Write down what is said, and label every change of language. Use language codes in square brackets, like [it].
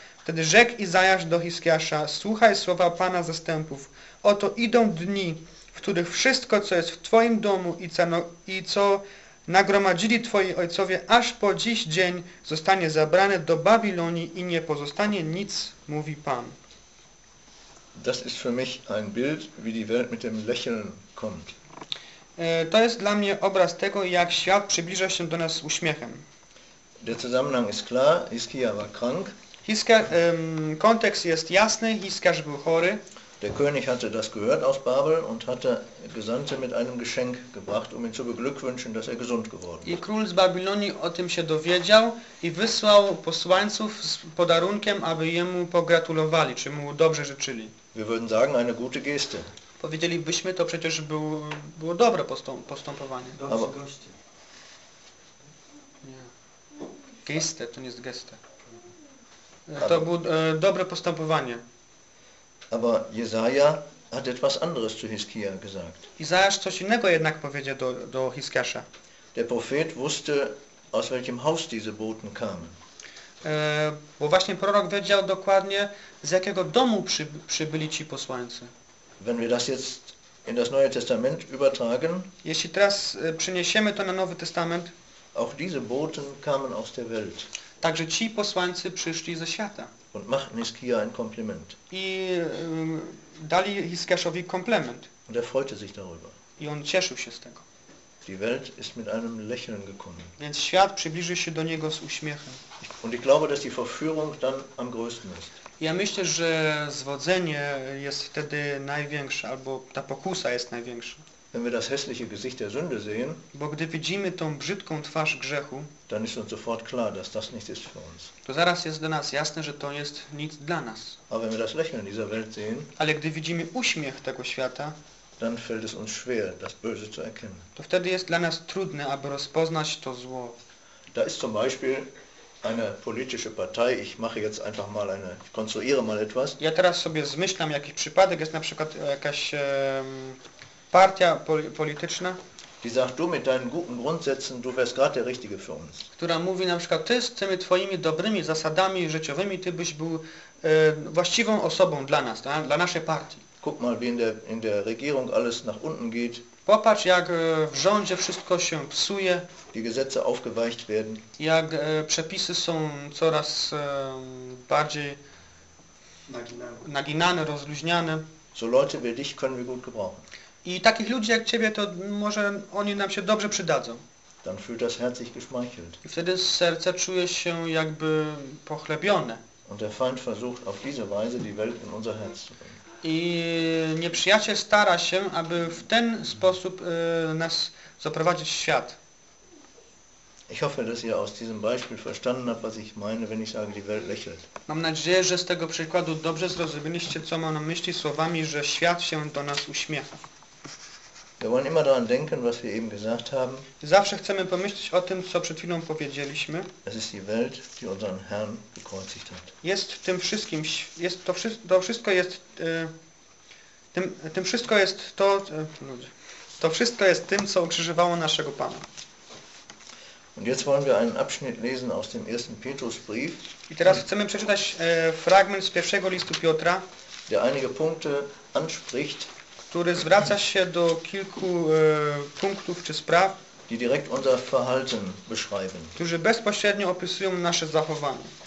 [pl] Wtedy rzekł Izajasz do Hiskiasza, słuchaj słowa Pana zastępów. Oto idą dni, w których wszystko, co jest w twoim domu i co nagromadzili twoi ojcowie, aż po dziś dzień zostanie zabrane do Babilonii i nie pozostanie nic, mówi Pan. [de] Das ist für mich ein Bild, wie die Welt mit dem Lächeln kommt. [pl] To jest dla mnie obraz tego, jak świat przybliża się do nas z uśmiechem. [de] Der Zusammenhang ist klar, Hiskia war krank. [pl] Kontekst jest jasny, Hiskiasz był chory. [de] Der König hatte das gehört aus Babel und hatte Gesandte mit einem Geschenk gebracht, um ihn zu beglückwünschen, dass er gesund geworden ist. [pl] I król z Babilonii o tym się dowiedział i wysłał posłańców z podarunkiem, aby jemu pogratulowali, czy mu dobrze życzyli. [de] Wir würden sagen, eine gute Geste. [pl] Powiedzielibyśmy, to przecież było dobre postępowanie. Dobrze goście. Nie. Geste, to nie jest geste. To było dobre postępowanie. [de] Aber Jesaja hat etwas anderes zu Hiskia gesagt. [pl] Izajasz coś innego jednak powiedział do Hiskiasza. [de] Der Prophet wusste, aus welchem Haus diese Boten kamen. [pl] Bo właśnie prorok wiedział dokładnie, z jakiego domu przybyli ci posłańcy. [de] Wenn wir das jetzt in das Neue Testament übertragen, [pl] jeśli teraz przeniesiemy to na Nowy Testament, [de] auch diese Boten kamen aus der Welt. [pl] Także ci posłańcy przyszli ze świata. [de] Und machten Hiskia ein Kompliment. [pl] I dali Hiskiaszowi komplement. [de] Und er freute sich darüber. [pl] I on cieszył się z tego. [de] Die Welt ist mit einem Lächeln gekommen. [pl] Więc świat przybliży się do niego z uśmiechem. [de] Und ich glaube, dass die Verführung dann am größten ist. [pl] Ja myślę, że zwodzenie jest wtedy największe, albo ta pokusa jest największa. [de] Wenn wir das hässliche Gesicht der Sünde sehen, [pl] bo gdy widzimy tą brzydką twarz grzechu, [de] dann ist uns sofort klar, dass das nicht ist für uns. [pl] To zaraz jest dla nas jasne, że to jest nic dla nas. [de] Aber wenn wir das Lächeln dieser Welt sehen, [pl] ale gdy widzimy uśmiech tego świata, [de] dann fällt es uns schwer, das Böse zu erkennen. [pl] To wtedy jest dla nas trudne, aby rozpoznać to zło. [de] Da ist zum Beispiel eine politische Partei. Ich mache jetzt einfach mal eine, ich konstruiere mal etwas. [pl] Ja teraz sobie zmyślam jakiś przypadek, jest na przykład jakaś partia polityczna, [de] die sagt, du mit deinen guten Grundsätzen, du wärst gerade der Richtige für uns. [pl] Która mówi na przykład, ty z tymi twoimi dobrymi zasadami życiowymi, ty byś był właściwą osobą dla nas, dla naszej partii. [de] Guck mal, wie in der Regierung alles nach unten geht. [pl] Popatrz, jak w rządzie wszystko się psuje. [de] Die Gesetze aufgeweicht werden. [pl] Jak przepisy są coraz bardziej naginane, rozluźniane. [de] So Leute wie dich können wir gut gebrauchen. [pl] I takich ludzi jak ciebie, to może oni nam się dobrze przydadzą. [de] Dann fühlt das Herz sich geschmeichelt. [pl] I wtedy serce czuje się jakby pochlebione. [de] Und der Feind versucht auf diese Weise die Welt in unser Herz zu bringen. [pl] I nieprzyjaciel stara się, aby w ten sposób nas zaprowadzić w świat. [de] Ich hoffe, dass ihr aus diesem Beispiel verstanden habt, was ich meine, wenn ich sage, die Welt lächelt. [pl] Mam nadzieję, że z tego przykładu dobrze zrozumieliście, co mam na myśli słowami, że świat się do nas uśmiecha. [de] Wir wollen immer daran denken, was wir eben gesagt haben. [pl] Zawsze chcemy pomyśleć o tym, co przed chwilą powiedzieliśmy. [de] Es ist die Welt, die unseren Herrn gekreuzigt hat. [pl] Jest tym wszystkim, jest to, to wszystko jest tym wszystko jest to, to wszystko jest tym, co ukrzyżowało naszego Pana. [de] Und jetzt wollen wir einen Abschnitt lesen aus dem ersten Petrusbrief. [pl] I teraz chcemy przeczytać fragment z pierwszego listu Piotra, [de] der einige Punkte anspricht, [pl] który zwraca się do kilku punktów czy spraw, [de] die direkt unser Verhalten beschreiben, [pl] którzy bezpośrednio opisują nasze zachowanie.